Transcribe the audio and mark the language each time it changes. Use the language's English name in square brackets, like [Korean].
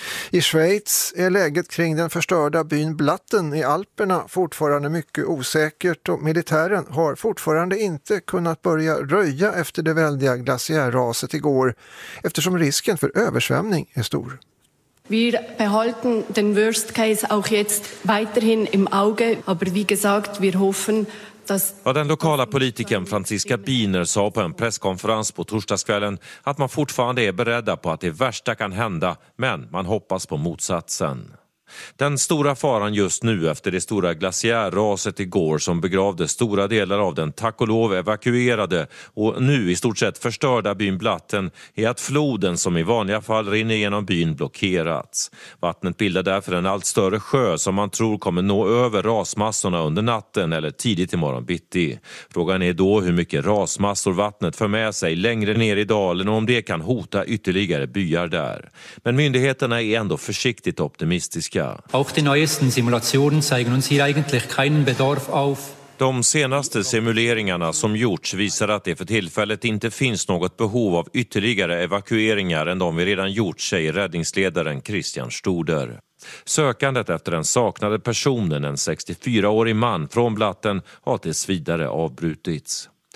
[Swedish] I Schweiz är läget kring den förstörda byn Blatten i Alperna fortfarande mycket osäkert och militären har fortfarande inte kunnat börja röja efter det väldiga glaciärraset igår eftersom risken för översvämning är stor. [German] Wir behalten den Worst Case auch jetzt weiterhin im Auge, aber wie gesagt, wir hoffen, dass... [Swedish] Ja, den lokala politikern Franziska Biner sa på en presskonferens på torsdagskvällen att man fortfarande är beredda på att det värsta kan hända, men man hoppas på motsatsen. Den stora faran just nu efter det stora glaciärraset igår som begravde stora delar av den tack och lov evakuerade och nu i stort sett förstörda byn Blatten är att floden som i vanliga fall rinner genom byn blockerats. Vattnet bildar därför en allt större sjö som man tror kommer nå över rasmassorna under natten eller tidigt imorgon bitti. Frågan är då hur mycket rasmassor vattnet för med sig längre ner i dalen och om det kan hota ytterligare byar där. Men myndigheterna är ändå försiktigt optimistiska. [German] Auch die neuesten Simulationen zeigen uns hier eigentlich keinen Bedarf auf. [Swedish] De senaste simuleringarna som gjorts visar att det för tillfället inte finns något behov av ytterligare evakueringar än de vi redan gjort, säger räddningsledaren Christian Stoder. Sökandet efter den saknade personen, en 64-årig man från Blatten, har tills vidare avbrutits.